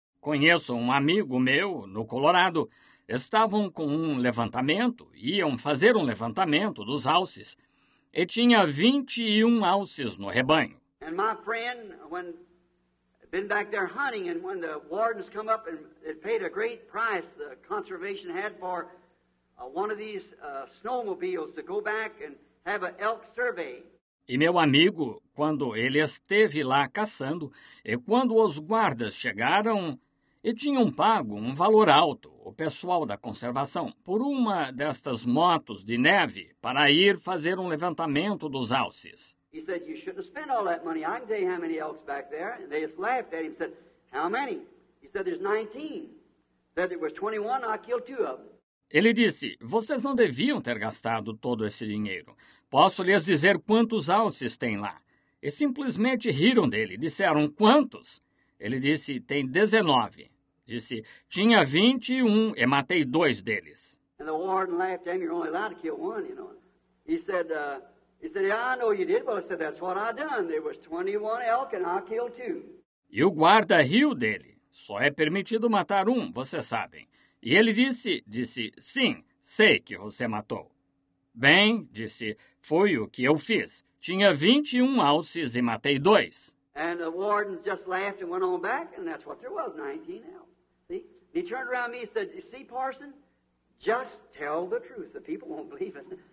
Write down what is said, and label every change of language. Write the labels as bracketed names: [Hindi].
[Portuguese] Conheço um amigo meu no Colorado. Estavam com um levantamento, iam fazer um levantamento dos alces. E tinha 21 alces no rebanho. [English] And my friend, when been back there hunting, and when the wardens come up, and it paid a great price the conservation had for one of these snowmobiles to go back and have an elk survey. [Portuguese] E meu amigo, quando ele esteve lá caçando, e quando os guardas chegaram, e tinham pago um valor alto, o pessoal da conservação, por uma destas motos de neve para ir fazer um levantamento dos alces. [English] He said, you shouldn't have spent all that money. I can tell you how many elks back there. And they just laughed at him and said, how many? He said, there's 19. Said there was 21, I killed two of them. [Portuguese] Ele disse, vocês não deviam ter gastado todo esse dinheiro. Posso lhes dizer quantos alces tem lá? E simplesmente riram dele. Disseram, quantos? Ele disse, tem 19. Disse, tinha 21 e matei dois deles. [English] And the warden laughed at me, you're only allowed to kill one, you know. He said, yeah, I know you did, but I said, that's what I done. There was 21 elk and I killed two. [Portuguese] E o guarda riu dele. Só é permitido matar um, vocês sabem. E ele disse, sim, sei que você matou. Bem, disse, foi o que eu fiz. Tinha 21 alces e matei dois. [English] And the wardens just laughed and went on back, and that's what there was, 19 elks. See? He turned around to me and said, you see, Parson, just tell the truth. The people won't believe it.